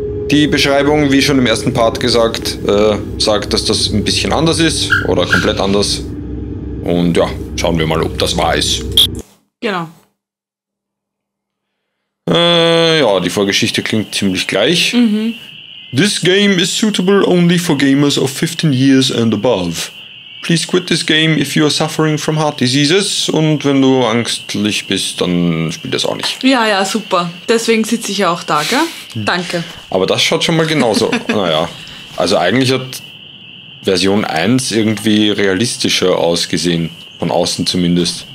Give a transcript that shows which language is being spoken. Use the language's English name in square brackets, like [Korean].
[German] Die Beschreibung, wie schon im ersten Part gesagt, sagt, dass das ein bisschen anders ist oder komplett anders. Und ja, schauen wir mal, ob das wahr ist. Genau. Ja, die Vorgeschichte klingt ziemlich gleich. Mhm. [English] This game is suitable only for gamers of 15 years and above. Please quit this game if you are suffering from heart diseases. [German] Und wenn du ängstlich bist, dann spiel das auch nicht. Ja, ja, super. Deswegen sitze ich ja auch da, gell? Danke. Aber das schaut schon mal genauso. Naja, also eigentlich hat Version 1 irgendwie realistischer ausgesehen. Von außen zumindest.